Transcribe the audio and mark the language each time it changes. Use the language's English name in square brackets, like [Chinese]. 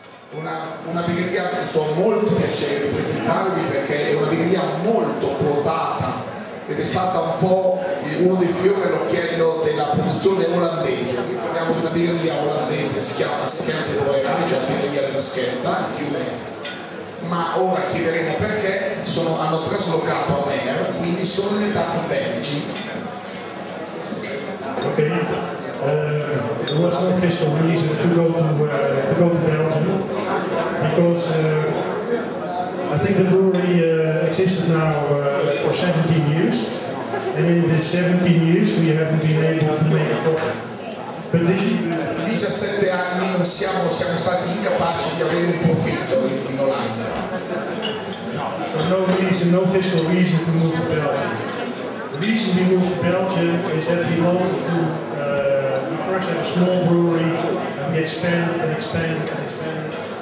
[Italian] una birreria che sono molto piacere di presentarvi, perché è una birreria molto quotata ed è stata un po' uno dei fiori all'occhiello della produzione olandese. Parliamo di una birreria olandese, si chiama Schelte Brouwerij, cioè la birreria della Schelta, il fiume. Ma ora chiederemo perché hanno traslocato a Meer, quindi sono diventati in belgi. [English] Ok, it was an official reason to go to Belgium, because I think the brewery existed now for 17 years, and in this 17 years we haven't been able to make a profit. But this year, [Italian] 17 anni non siamo stati incapaci di avere un profitto in Olanda. [English] So no reason, no official reason to move to Belgium. The reason we moved to Belgium is that we wanted to first have a small brewery, and we expanded and expanded and expanded.